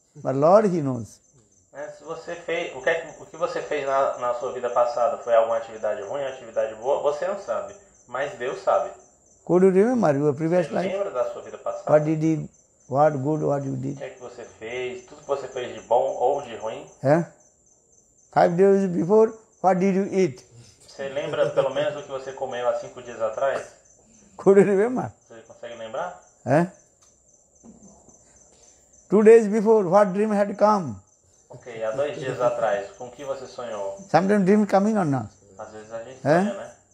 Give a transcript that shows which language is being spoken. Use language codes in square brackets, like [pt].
[en] But Lord, he knows. [pt] Se você fez, o que você fez na sua vida passada, foi alguma atividade ruim, atividade boa, você não sabe. Mas Deus sabe. [en] Could you remember your previous life? [pt] Lembra da sua vida passada? [en] What did you, what good, what you did? [pt] O que é que você fez, tudo que você fez de bom ou de ruim? [en] Five days before, what did you eat? [pt] Você lembra pelo menos o que você comeu há 5 dias atrás? [en] Could you remember? [pt] Você consegue lembrar? [en] Two days before, what dream had come? [pt] Ok, há 2 dias atrás, com o que você sonhou? [en] Sometimes dream coming or not? [pt] Às vezes a gente sonha, né?